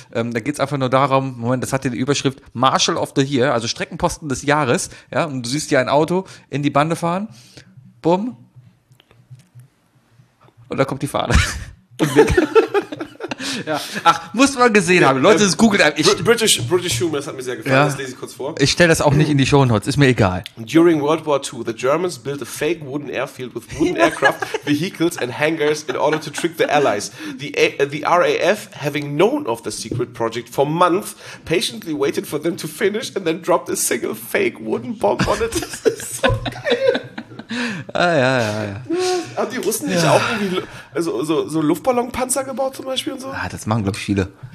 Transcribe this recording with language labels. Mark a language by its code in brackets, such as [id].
[de] Da geht's einfach nur darum, Moment, das hat die Überschrift Marshal of the Year, also Streckenposten des Jahres, ja, und du siehst hier ein Auto in die Bande fahren. Bumm. Und da kommt die Fahne. Ja. Ach, muss man gesehen haben. Leute, das googelt einfach. British Humor, das hat mir sehr gefallen. Ja. Das lese ich kurz vor. Ich stelle das auch nicht in die Shownotes, ist mir egal. [en] During World War II, the Germans built a fake wooden airfield with wooden aircraft, vehicles and hangars in order to trick the Allies. The RAF, having known of the secret project for months, patiently waited for them to finish and then dropped a single fake wooden bomb on it. [de] Das ist so geil. Ah, ja. Haben die Russen nicht auch irgendwie so Luftballonpanzer gebaut zum Beispiel und so? Ah, das machen, glaube ich, viele.